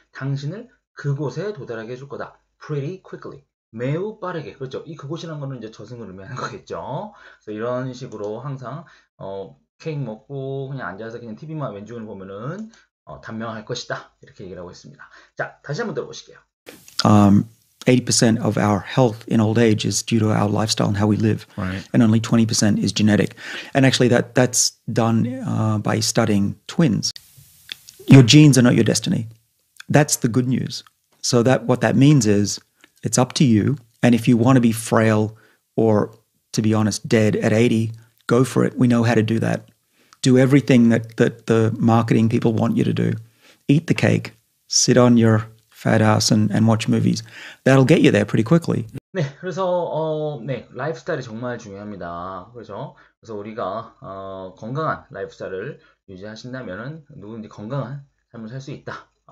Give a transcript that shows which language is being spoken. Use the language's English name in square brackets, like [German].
[Korean] 당신을 그곳에 도달하게 해줄 거다. [English] Pretty quickly. [Korean] 매우 빠르게. 그렇죠. 이 그곳이라는 거는 이제 저승을 의미하는 거겠죠. 그래서 이런 식으로 항상 케이크 먹고 그냥 앉아서 그냥 TV만 왼쪽을 보면은 단명할 것이다. 이렇게 얘기를 하고 있습니다. 자, 다시 한번 들어보실게요. [English] 80% of our health in old age is due to our lifestyle and how we live. Right. And only 20% is genetic. And actually that's done by studying twins. Your genes are not your destiny. That's the good news. So that what that means is it's up to you. And if you want to be frail or, to be honest, dead at 80, go for it. We know how to do that. Do everything that the marketing people want you to do. Eat the cake. Sit on your fat ass and watch movies. That'll get you there pretty quickly. [Korean] 네, 그래서 네, 라이프스타일이 정말 중요합니다. 그렇죠? 그래서 우리가 건강한 라이프스타일을 유지하신다면은 누구든지 건강한 삶을 살 수 있다.